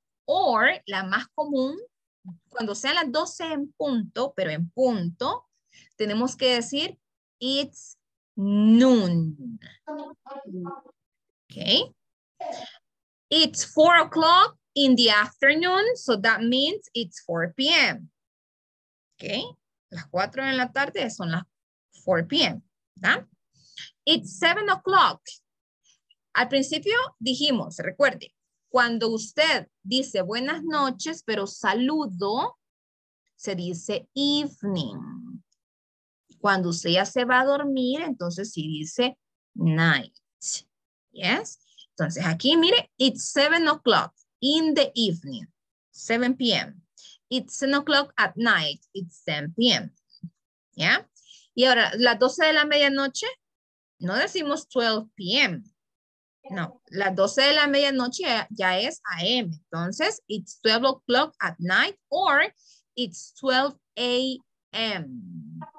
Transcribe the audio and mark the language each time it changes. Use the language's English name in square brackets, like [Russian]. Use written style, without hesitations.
[Spanish] or la más común, cuando sean las 12 en punto, pero en punto, tenemos que decir, [English] it's noon. [Spanish] Okay. [English] It's 4 o'clock in the afternoon, so that means it's 4 p.m. Okay. [Spanish] Las 4 en la tarde son las 4 p.m. ¿Verdad? [English] It's 7 o'clock. [Spanish] Al principio dijimos, recuerde, cuando usted dice buenas noches, pero saludo, se dice evening. Cuando usted ya se va a dormir, entonces sí dice night. [English] Yes? [Spanish] Entonces aquí mire, [English] it's 7 o'clock in the evening, 7 p.m. It's 10 o'clock at night, it's 10 p.m. [Spanish] ¿Ya? Y ahora, las 12 de la medianoche, no decimos 12 p.m. No, las 12 de la medianoche ya es a.m. Entonces, [English] it's 12 o'clock at night or it's 12 a.m.